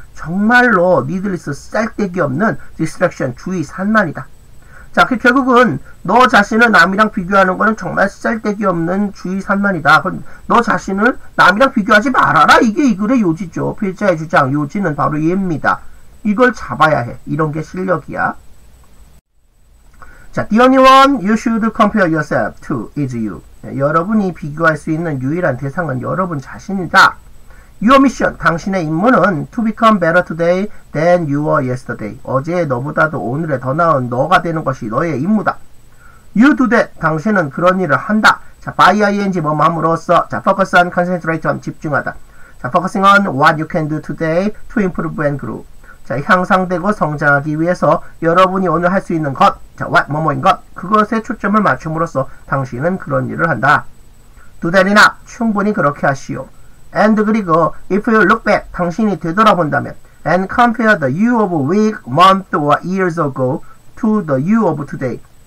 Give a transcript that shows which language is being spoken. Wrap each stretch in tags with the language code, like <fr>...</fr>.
<ko>정말로 needless, 쌀데기 없는 distraction, 주의 산만이다. 자, 그 결국은 너 자신을 남이랑 비교하는 것은 정말 쌀데기 없는 주의 산만이다. 너 자신을 남이랑 비교하지 말아라. 이게 이 글의 요지죠. 필자의 주장, 요지는 바로 얘입니다. 이걸 잡아야 해. 이런 게 실력이야.</ko> <en>자, the only one you should compare yourself to is you.</en> <ko>여러분이 비교할 수 있는 유일한 대상은 여러분 자신이다.</ko> <en>Your mission,</en> <ko>당신의 임무는</ko> <en>to become better today than you were yesterday.</en> <ko>어제의 너보다도 오늘의 더 나은 너가 되는 것이 너의 임무다.</ko> <en>You do that,</en> <ko>당신은 그런 일을 한다. 자, by ing 뭐뭐함으로써, 자, focus on, concentrate on, 집중하다.</ko> <en>자, focusing on what you can do today to improve and grow.</en> <ko>자, 향상되고 성장하기 위해서 여러분이 오늘 할 수 있는 것, 자, what, 뭐뭐인 것, 그것에 초점을 맞춤으로써 당신은 그런 일을 한다.</ko> <en>Do that enough,</en> <ko>충분히 그렇게 하시오.</ko> <en>And</en> <ko>그리고</ko> <en>if you look back,</en> <ko>당신이 되돌아본다면</ko> <en>and compare the you of a week, month, or years ago to the you of today.</en>